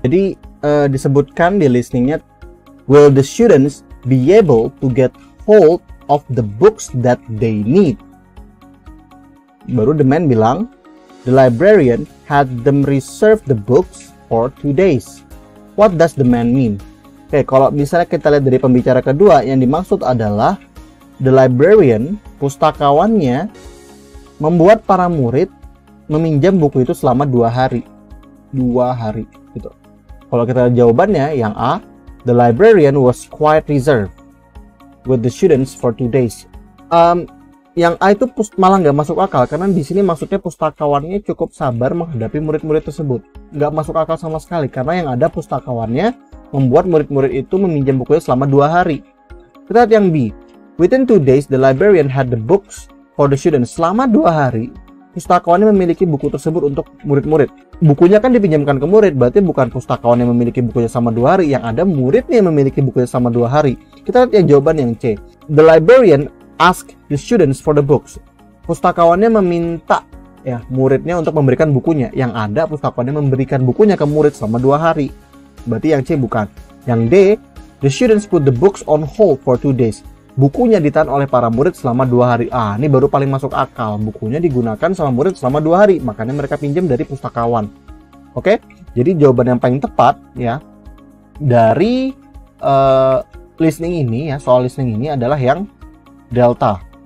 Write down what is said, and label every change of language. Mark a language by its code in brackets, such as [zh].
[id] Jadi disebutkan di listeningnya, [en] will the students be able to get hold of the books that they need? Baru the man bilang, the librarian had them reserve the books for 2 days. What does the man mean? [id] Oke, kalau misalnya kita lihat dari pembicara kedua, yang dimaksud adalah the librarian, pustakawannya, membuat para murid meminjam buku itu selama 2 hari. Dua hari gitu. Kalau kita lihat jawabannya yang A, [en] the librarian was quite reserved with the students for 2 days. [id] Yang A itu malah nggak masuk akal karena di sini maksudnya pustakawannya cukup sabar menghadapi murid-murid tersebut. Nggak masuk akal sama sekali karena yang ada pustakawannya membuat murid-murid itu meminjam bukunya selama 2 hari. Kita lihat yang B, [en] within 2 days the librarian had the books for the students. [id] Selama 2 hari pustakawannya memiliki buku tersebut untuk murid-murid. Bukunya kan dipinjamkan ke murid, berarti bukan pustakawan yang memiliki bukunya sama 2 hari, yang ada muridnya yang memiliki bukunya sama 2 hari. Kita lihat yang jawaban yang C. [en] The librarian asked the students for the books. [id] Pustakawannya meminta ya muridnya untuk memberikan bukunya. Yang ada pustakawannya memberikan bukunya ke murid selama 2 hari. Berarti yang C bukan. [en] Yang D, the students put the books on hold for 2 days. [id] Bukunya ditahan oleh para murid selama 2 hari. Ah, ini baru paling masuk akal. Bukunya digunakan sama murid selama 2 hari. Makanya mereka pinjam dari pustakawan. Oke? Jadi jawaban yang paling tepat ya dari listening ini ya, soal listening ini adalah yang delta.